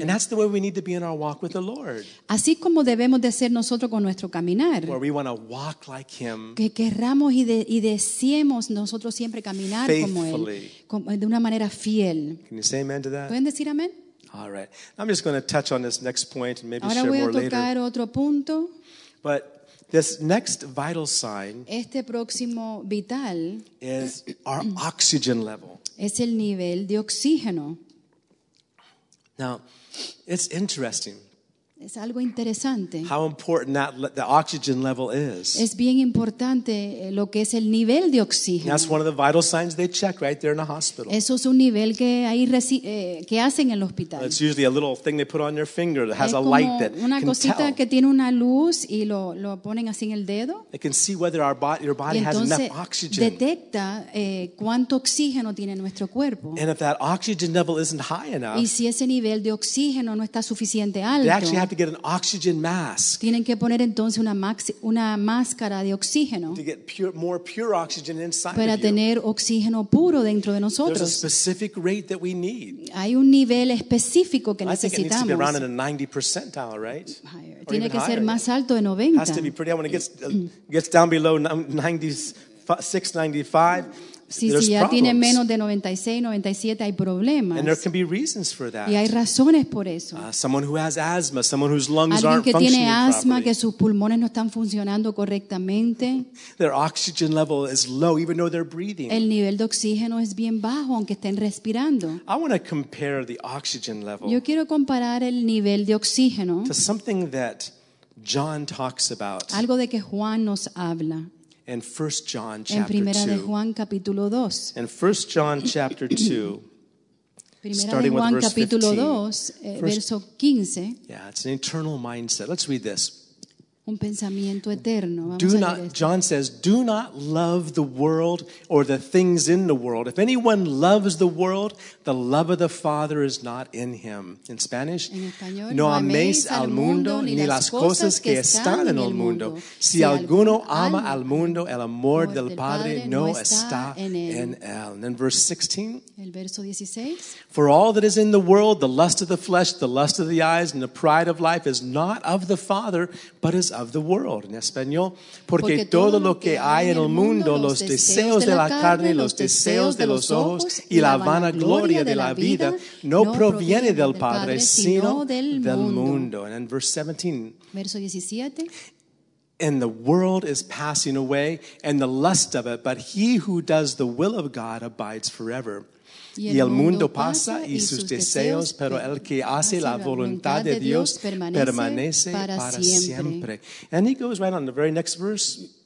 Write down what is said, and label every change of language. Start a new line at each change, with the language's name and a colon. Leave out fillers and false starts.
English: And that's the way we need to be in our walk with the Lord.
Spanish: Así como debemos de ser nosotros con nuestro caminar.
English: Where we want to walk like Him.
Spanish: Que querramos y deseemos nosotros siempre caminar como Él. De una manera fiel.
English: Can you say amen to that?
Spanish: ¿Pueden decir amén?
English: All right. I'm just going to touch on this next point and maybe
Spanish: ahora
English: share more later.
Spanish: Ahora voy a tocar otro punto.
English: But This next vital sign
Spanish: este próximo vital
English: is our oxygen level.
Spanish: Es el nivel de oxígeno.
English: Now, it's interesting.
Spanish: Es algo interesante.
English: How important that the oxygen level is.
Spanish: Es bien importante lo que es el nivel de oxígeno.
English: That's one of the vital signs they check right there in a hospital.
Spanish: Eso es un nivel que ahí que hacen en el hospital.
English: It's usually a little thing they put on your finger that has a light that can tell.
Spanish: Es como una cosita que tiene una luz y lo ponen así en el dedo.
English: They can see whether your body has enough oxygen.
Spanish: Detecta cuánto oxígeno tiene nuestro cuerpo.
English: And if that oxygen level isn't high enough.
Spanish: Y si ese nivel de oxígeno no está suficiente alto.
English: You have to get an oxygen mask.
Spanish: Tienen que poner entonces una máscara de oxígeno.
English: To get more pure oxygen inside.
Spanish: Para tener oxígeno puro dentro de nosotros.
English: There's a specific rate that we need.
Spanish: Hay un nivel específico que necesitamos.
English: I think it needs to be around in a 90 percentile, right? Higher.
Spanish: Tiene que ser más alto de 90.
English: Has to be pretty high. When it gets down below 96, 95.
Spanish: Si ya tiene menos de 96, 97, hay problemas.
English: And there can be reasons for that.
Spanish: Y hay razones por eso.
English: Someone who has asthma, someone whose lungs aren't functioning properly.
Spanish: Alguien que tiene asma, que sus pulmones no están funcionando correctamente.
English: Their oxygen level is low, even though they're breathing.
Spanish: El nivel de oxígeno es bien bajo, aunque estén respirando.
English: I want to compare the oxygen level.
Spanish: Yo quiero comparar el nivel de oxígeno.
English: To something that John talks about.
Spanish: Algo de que Juan nos habla.
English: In 1 John chapter
Spanish: en Primera de Juan capítulo 2.
English: In 1 John chapter 2. Starting with
Spanish: Juan capítulo 2, verso 15.
English: Yeah, it's an eternal mindset. Let's read this.
Spanish: Un pensamiento eterno. Vamos
English: do
Spanish: a leer
English: not,
Spanish: esto.
English: John says, do not love the world or the things in the world. If anyone loves the world, the love of the Father is not in him. In Spanish,
Spanish: en español, no améis al mundo ni las cosas que están en el mundo. Si alguno ama al mundo, el amor del Padre no está en él.
English: And then verse 16.
Spanish: El verso 16.
English: For all that is in the world, the lust of the flesh, the lust of the eyes, and the pride of life is not of the Father, but is of the world.
Spanish: En español, porque todo lo que hay en el mundo, los deseos de la carne, los deseos de los ojos, y la vanagloria de la vida, no proviene del Padre, sino del mundo.
English: And then verse 17.
Spanish: Verso 17.
English: And the world is passing away, and the lust of it, but he who does the will of God abides forever.
Spanish: Y el mundo pasa y sus deseos, pero el que hace la voluntad de Dios permanece para siempre.
English: And he goes right on the very next verse.